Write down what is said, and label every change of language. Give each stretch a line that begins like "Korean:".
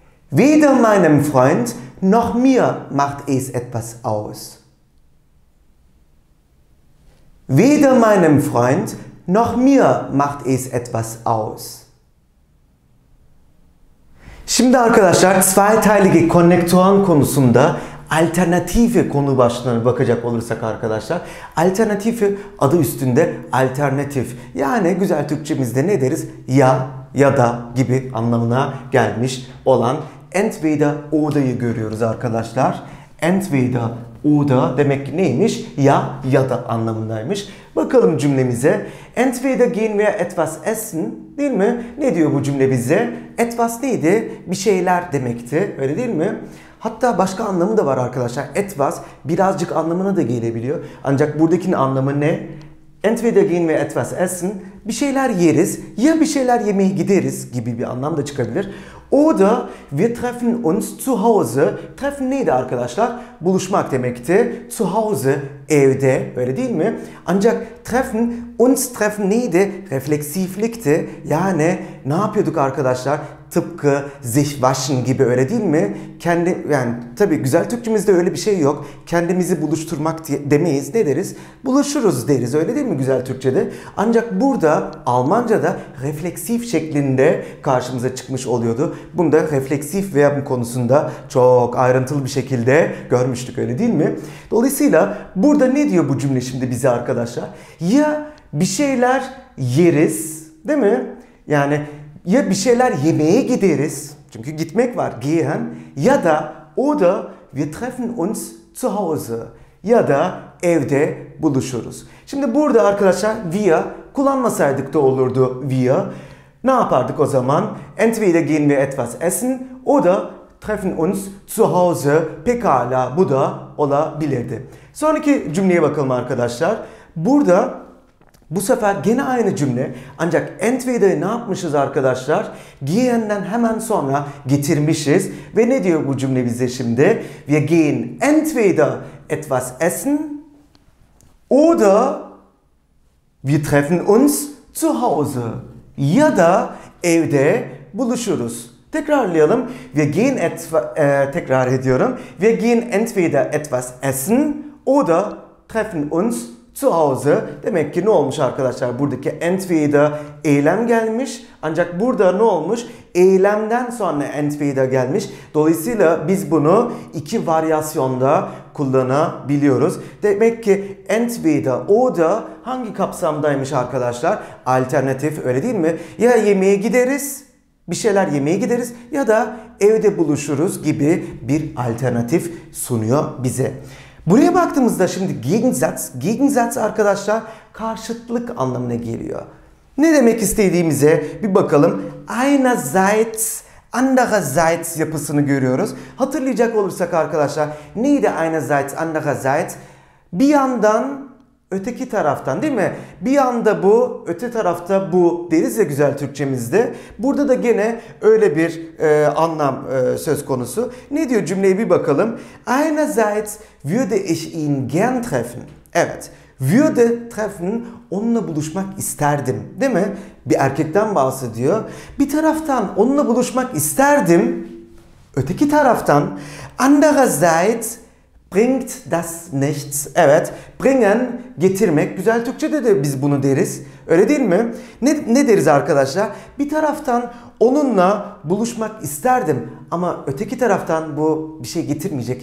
German: Weder meinem Freund noch mir macht es etwas aus. Weder meinem Freund noch mir macht es etwas aus.
Turkish: Şimdi arkadaşlar zweiteilige Konnektoren konusunda alternative konu başlığına bakacak olursak arkadaşlar. Alternative adı üstünde alternatif. Yani güzel Türkçemizde ne deriz? Ya, ya da gibi anlamına gelmiş olan entweder oder'ı görüyoruz arkadaşlar. Entweder oder demek neymiş? Ya, ya da anlamındaymış. Bakalım cümlemize.
German: Entweder gehen wir etwas essen,
Turkish: değil mi? Ne diyor bu cümle bize? Etwas neydi? Bir şeyler demekti. Öyle değil mi? Hatta başka anlamı da var arkadaşlar. Etwas birazcık anlamına da gelebiliyor. Ancak buradakinin anlamı ne?
German: Entweder gehen wir etwas essen.
Turkish: Bir şeyler yeriz. Ya bir şeyler yemeye gideriz gibi bir anlam da çıkabilir.
German: Oder wir treffen uns zu Hause.
Turkish: Treffen neydi arkadaşlar? Buluşmak demekti. Zu Hause, evde. Öyle değil mi? Ancak treffen,
German: uns treffen
Turkish: neydi? Refleksiflikti. Yani ne yapıyorduk arkadaşlar? Tıpkı
German: sich waschen
Turkish: gibi, öyle değil mi? Kendi, yani tabii güzel Türkçemizde öyle bir şey yok. Kendimizi buluşturmak demeyiz. Ne deriz? Buluşuruz deriz. Öyle değil mi güzel Türkçede? Ancak burada Almanca'da refleksif şeklinde karşımıza çıkmış oluyordu. Bunda refleksif verb konusunda çok ayrıntılı bir şekilde görmüştük, öyle değil mi? Dolayısıyla burada ne diyor bu cümle şimdi bize arkadaşlar? Ya bir şeyler yeriz, değil mi? Yani ya bir şeyler yemeye gideriz, çünkü gitmek var,
German: gehen,
Turkish: ya da
German: oder wir treffen uns zu Hause,
Turkish: ya da evde buluşuruz. Şimdi burada arkadaşlar wir kullanmasaydık da olurdu wir. Ne yapardık o zaman?
German: Entweder gehen wir etwas essen oder treffen uns zu Hause.
Turkish: Pekala, bu da olabilirdi. Sonraki cümleye bakalım arkadaşlar. Burada bu sefer gene aynı cümle, ancak entweder'i ne yapmışız arkadaşlar? Gehen'den hemen sonra getirmişiz. Ve ne diyor bu cümle bize şimdi?
German: Wir gehen entweder etwas essen oder wir treffen uns zu Hause.
Turkish: Ya da evde buluşuruz. Tekrarlayalım.
German: Wir gehen
Turkish: tekrar ediyorum.
German: Wir gehen entweder etwas essen oder treffen uns zu Hause.
Turkish: Demek ki ne olmuş arkadaşlar? Buradaki entweder eylem gelmiş. Ancak burada ne olmuş? Eylemden sonra entweder gelmiş. Dolayısıyla biz bunu iki varyasyonda kullanabiliyoruz. Demek ki entweder oder hangi kapsamdaymış arkadaşlar? Alternatif, öyle değil mi? Ya yemeğe gideriz, bir şeyler yemeye gideriz, ya da evde buluşuruz gibi bir alternatif sunuyor bize. Buraya baktığımızda şimdi Gegensatz, Gegensatz arkadaşlar karşıtlık anlamına geliyor. Ne demek istediğimize bir bakalım. Einerseits, andererseits yapısını görüyoruz. Hatırlayacak olursak arkadaşlar neydi einerseits, andererseits? Bir yandan, öteki taraftan, değil mi? Bir yanda bu, öte tarafta bu deriz ya güzel Türkçemizde. Burada da gene öyle bir anlam söz konusu. Ne diyor cümleye bir bakalım.
German: Einerseits würde ich ihn gern treffen.
Turkish: Evet. Würde treffen, onunla buluşmak isterdim, değil mi? Bir erkekten bahsediyor. Bir taraftan onunla buluşmak isterdim. Öteki taraftan
German: andererseits bringt das nichts.
Turkish: Evet, bringen getirmek. Güzel Türkçe'de de biz bunu deriz. Öyle değil mi? Ne deriz arkadaşlar? Bir taraftan onunla buluşmak isterdim ama öteki taraftan bu bir şey getirmeyecek.